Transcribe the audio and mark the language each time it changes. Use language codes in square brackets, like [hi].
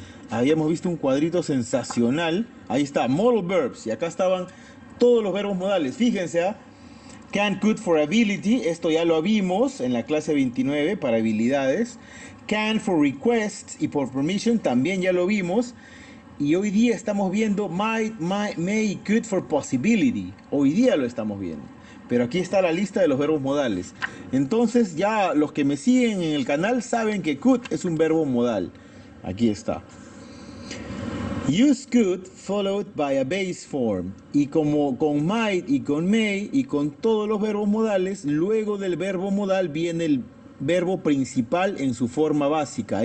[es] Habíamos visto un cuadrito sensacional. Ahí está, modal verbs, y acá estaban todos los verbos modales. Fíjense, can, could for ability, esto ya lo vimos en la clase 29 para habilidades. [en] Can for requests [es] y por [en] permission, también ya lo vimos. [es] Y hoy día estamos viendo may, could for possibility. Hoy día lo estamos viendo. Pero aquí está la lista de los verbos modales. Entonces ya los que me siguen en el canal saben que could es un verbo modal. Aquí está. [en] Use could followed by a base form. [es] Y como con might y con may y con todos los verbos modales, luego del verbo modal viene el verbo principal en su forma básica.